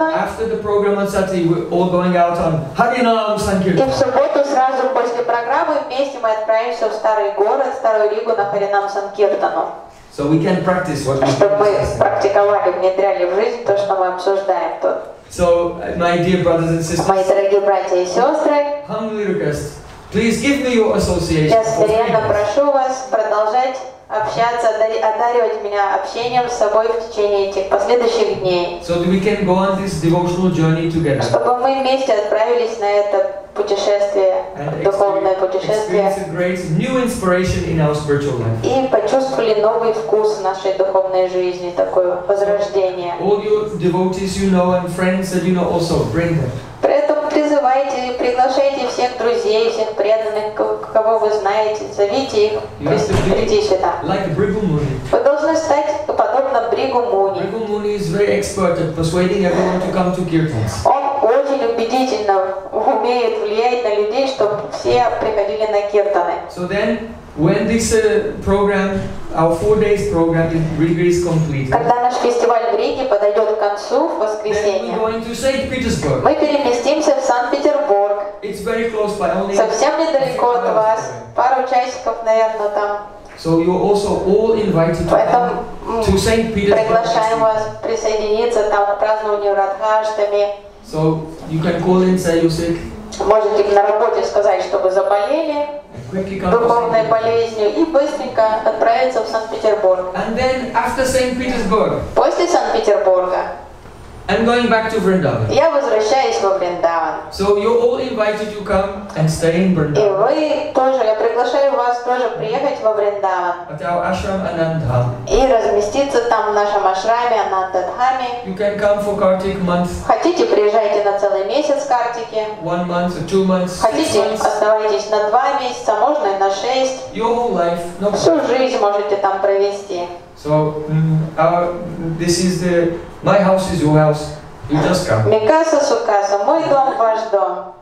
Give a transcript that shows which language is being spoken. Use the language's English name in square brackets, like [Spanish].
[English] after the program on Saturday, we're all going out on Harinam Sankirtan. [Russian] И в субботу сразу после программы вместе мы отправимся в старый город, старую Ригу на Харинам Санкиртану. [English] So we can practice what we practice. [Russian] Чтобы мы практиковали, внедряли в жизнь то, что мы обсуждаем тут. [English] So, my dear brothers and sisters, [Russian] мои дорогие братья и сестры, [English] humbly request, please give me your association. [Russian] Я серьезно прошу вас продолжать общаться, одаривать меня общением с собой в течение этих последующих дней. [English] So that we can go on this devotional journey together. [Russian] Чтобы мы вместе отправились на это путешествие, духовное путешествие. [English] Experience a great new inspiration in our spiritual life. [Russian] И почувствовали новый вкус нашей духовной жизни, такое возрождение. [English] All your devotees you know and friends that you know also, bring them. [Russian] При этом призывайте, приглашайте всех друзей, всех преданных, кого вы знаете, зовите их, приходите сюда. [English] Like Бригу Муни. [Russian] Вы должны стать подобно Бригу Муни. [English] Бригу Муни is very expert at persuading everyone to come to Kirtans. [Russian] Он очень убедительно умеет влиять на людей, чтобы все приходили на киртаны. [English] So then, when this program, our 4 days program in Riga is completed, [Russian] когда наш фестиваль в Риге подойдет к концу в воскресенье, мы переместимся в Санкт-Петербург. [English] It's very close by, only [Russian] совсем недалеко от вас, пару часиков, наверное, там. [English] So you're also all invited to come to St. Petersburg. [Russian] Приглашаем вас присоединиться там к празднованию Радхаштами. [English] So you can call in, say you're sick. [Russian] Можете на работе сказать, чтобы заболели духовной болезнью и быстренько отправиться в Санкт-Петербург. [English] And then after St. Petersburg. [Russian] После Санкт-Петербурга. [English] I'm going back to Vrindavan. [Russian] Я возвращаюсь во Вриндаван. [English] So you all invited to come and stay in Vrindavan. [Russian] И вы тоже, я приглашаю вас тоже приехать во Вриндаван. [English] At our ashram Anandham. [Russian] И разместиться там в нашем ашраме Анандадхаме. [English] You can come for Kartik month. [Russian] Хотите, приезжайте на целый месяц Картике. [English] 1 month or 2 months. [Russian] Хотите, оставайтесь на 2 месяца, можно и на 6. [English] Your whole life. No. [Russian] Всю жизнь можете там провести. [English] So, this is the my house is your house. You just come. [Spanish] Микаса сукаса, [Russian] мой дом ваш дом.